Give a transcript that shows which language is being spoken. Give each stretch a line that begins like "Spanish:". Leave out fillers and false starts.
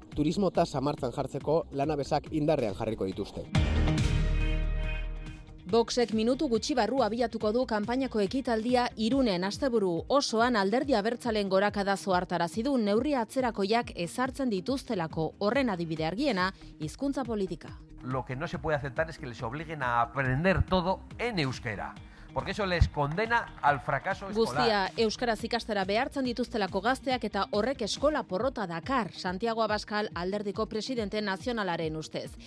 Basque: Turismo tasa martxan jartzeko lanabesak indarrean jarriko dituzte. Boxek minutu gutxi barru abiatuko du kanpainako ekitaldia Irunen asteburu osoan alderdi abertzalen gorakada zoartarazi du neurri atzerakoiak ezartzen dituztelako horren adibide argiena hizkuntza politika.
Spanish: Lo que no se puede aceptar es que les obliguen a aprender todo en euskera. Porque eso les condena al fracaso escolar.
Basque: Guztia, euskaraz ikastera behartzen dituztelako gazteak eta horrek eskola porrota dakar, Santiago Abascal alderdiko presidente nazionalaren ustez.